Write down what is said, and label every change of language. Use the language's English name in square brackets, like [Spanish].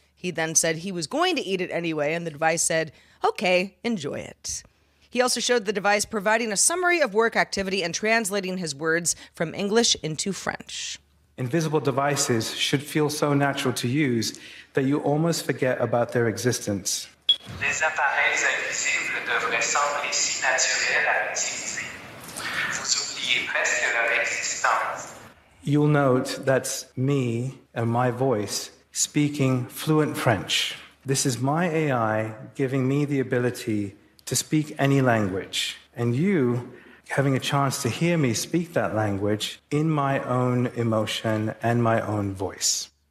[English] He then said he was going to eat it anyway, and the device said, okay, enjoy it. He also showed the device providing a summary of work activity and translating his words from English into French. Invisible devices should feel so natural to use that you almost forget about their existence. [French] Les appareils invisibles devraient sembler si naturels à utiliser. Vous oubliez presque leur existence. [English] You'll note that's me and my voice speaking fluent French. This is my AI giving me the ability to speak any language, and you having a chance to hear me speak that language in my own emotion and my own voice.